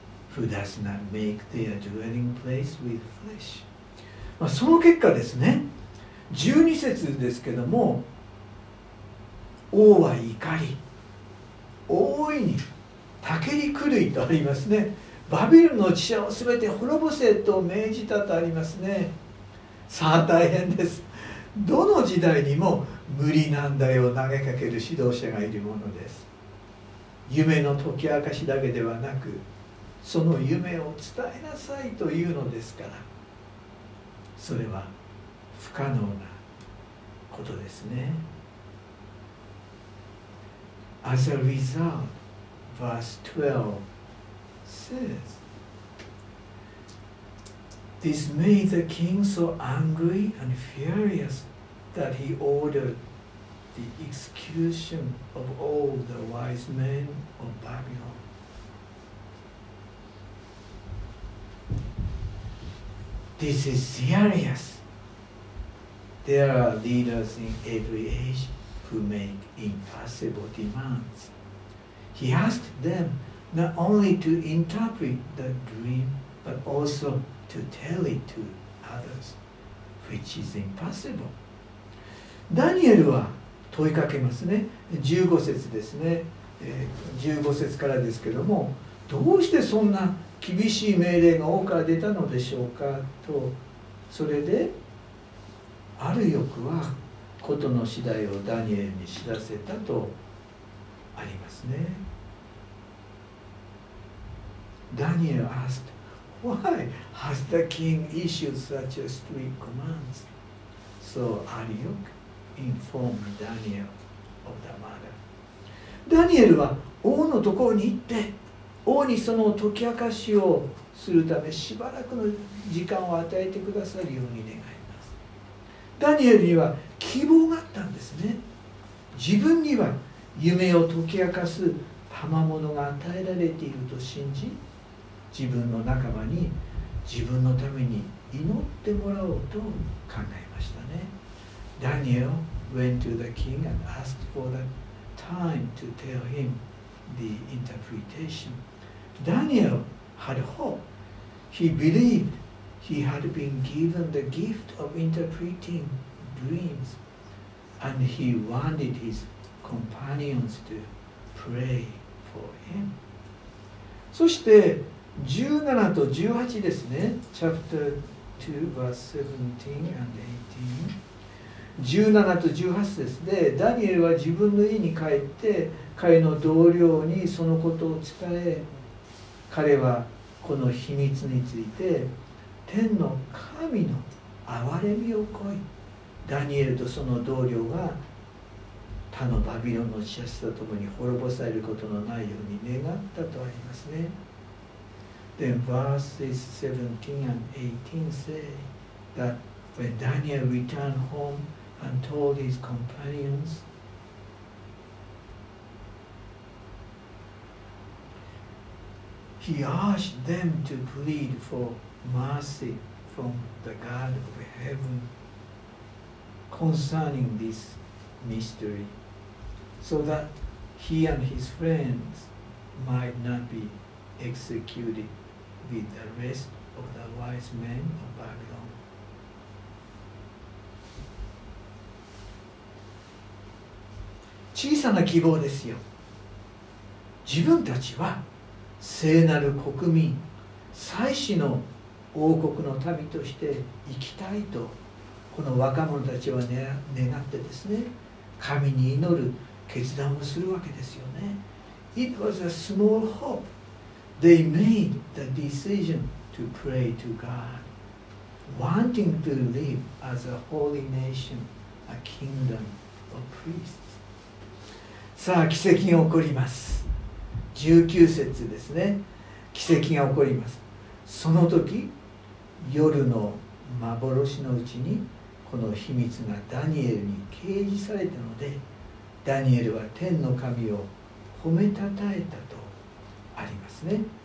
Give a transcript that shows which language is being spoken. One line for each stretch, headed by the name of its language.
English: who does not make their dwelling place with flesh.、
Japanese: まあ、その結果ですね、12節ですけども、王は怒り、大いに、たけり狂いとありますね。バビルの地者をすべて滅ぼせと命じたとありますね。さあ大変です。どの時代にも無理難題を投げかける指導者がいるものです。夢の解き明かしだけではなく、その夢を伝えなさいというのですから、それは不可能なことですね。
English: As a result, verse 12 saysThis made the king so angry and furious that he ordered the execution of all the wise men of Babylon. This is serious. There are leaders in every age who make impossible demands. He asked them not only to interpret the dream, but also. To tell it to others, which is impossible.
Japanese: ダニエルは問いかけますね。15節ですね、15節からですけども、どうしてそんな厳しい命令が王から出たのでしょうかと。それである欲は事の次第をダニエルに知らせたとありますね。
English: ダニエル asked,Why has the king issued such a strict commands? So Arioch informed Daniel of the matter.
Japanese: ダニエルは王のところに行って、王にその解き明かしをするためしばらくの時間を与えてくださるように願います。ダニエルには希望があったんですね。自分には夢を解き明かす賜物が与えられていると信じ、自分の仲間に自分のために祈ってもらおうと考えましたね。
English: Daniel went to the king and asked for the time to tell him the interpretation. Daniel had hope. He believed he had been given the gift of interpreting dreams. And he wanted his companions to pray for him.
Japanese: そして17と18ですね。
English: Chapter 2, verse 17 and 18.
Japanese: 17と18節です。で、ダニエルは自分の家に帰って彼の同僚にそのことを伝え、彼はこの秘密について天の神の憐れみを乞い、ダニエルとその同僚が他のバビロンの支配者とともに滅ぼされることのないように願ったとありますね。
English: Then verses 17 and 18 say thatWhen Daniel returned home and told his companions, he urged them to plead for mercy from the God of heaven concerning this mystery, so that he and his friends might not be executed with the rest of the wise men of Babylon.
Japanese: 小さな希望ですよ。自分たちは聖なる国民、祭司の王国の民として生きたいと、この若者たちは願ってですね、神に祈る決断をするわけですよね。
English: It was a small hope. They made the decision to pray to God, wanting to live as a holy nation, a kingdom of priests.
Japanese: さあ奇跡が起こります。19節ですね。奇跡が起こります。その時夜の幻のうちにこの秘密がダニエルに掲示されたので、ダニエルは天の神を褒めたたえたとありますね。